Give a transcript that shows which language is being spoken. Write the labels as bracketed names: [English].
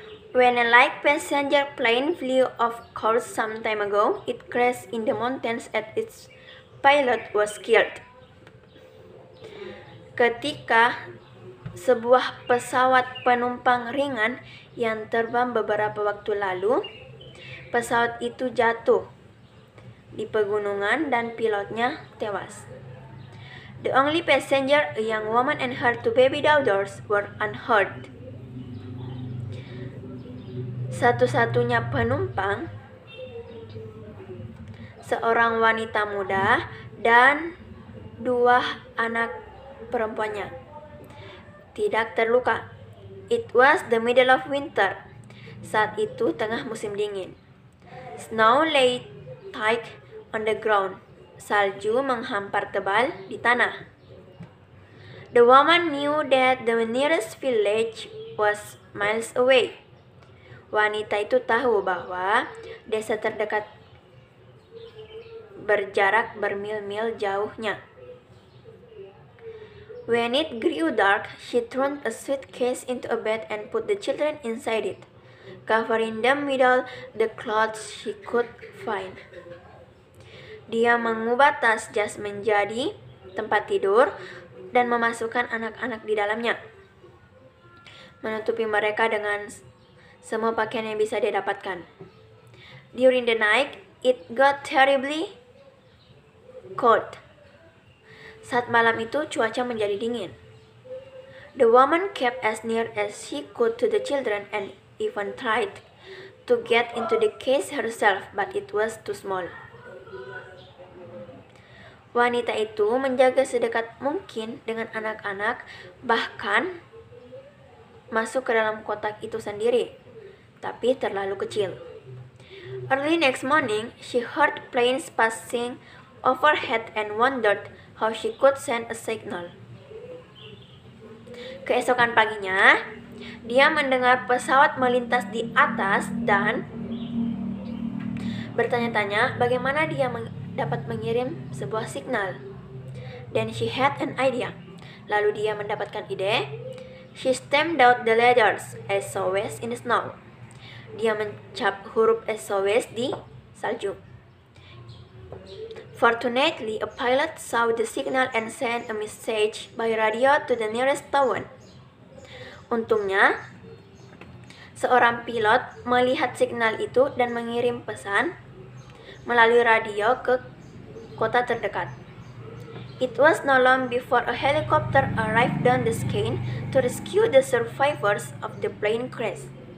[English] When a light passenger plane flew off course some time ago, it crashed in the mountains and its pilot was killed. [Indonesian] Ketika sebuah pesawat penumpang ringan yang terbang beberapa waktu lalu, pesawat itu jatuh di pegunungan dan pilotnya tewas. [English] The only passenger, a young woman and her two baby daughters, were unhurt. [Indonesian] Satu-satunya penumpang, seorang wanita muda dan dua anak perempuannya, tidak terluka. [English] It was the middle of winter. [Indonesian] Saat itu tengah musim dingin. [English] Snow lay thick on the ground. [Indonesian] Salju menghampar tebal di tanah. [English] The woman knew that the nearest village was miles away. [Indonesian] Wanita itu tahu bahwa desa terdekat berjarak bermil-mil jauhnya. [English] When it grew dark, she turned a suitcase into a bed and put the children inside it, covering them with all the clothes she could find. [Indonesian] Dia mengubah tas jas menjadi tempat tidur dan memasukkan anak-anak di dalamnya, menutupi mereka dengan semua pakaian yang bisa dia dapatkan. [English] During the night, it got terribly cold. [Indonesian] Saat malam itu, cuaca menjadi dingin. [English] The woman kept as near as she could to the children and even tried to get into the case herself, but it was too small. [Indonesian] Wanita itu menjaga sedekat mungkin dengan anak-anak, bahkan masuk ke dalam kotak itu sendiri, tapi terlalu kecil. [English] Early next morning, she heard planes passing overhead and wondered how she could send a signal. [Indonesian] Keesokan paginya, dia mendengar pesawat melintas di atas dan bertanya-tanya bagaimana dia dapat mengirim sebuah signal. [English] Then she had an idea. [Indonesian] Lalu dia mendapatkan ide. [English] She stamped out the letters SOS in the snow. [Indonesian] Dia mencap huruf SOS di salju. [English] Fortunately, a pilot saw the signal and sent a message by radio to the nearest town. [Indonesian] Untungnya, seorang pilot melihat signal itu dan mengirim pesan melalui radio ke kota terdekat. [English] It was no long before a helicopter arrived down the scene to rescue the survivors of the plane crash.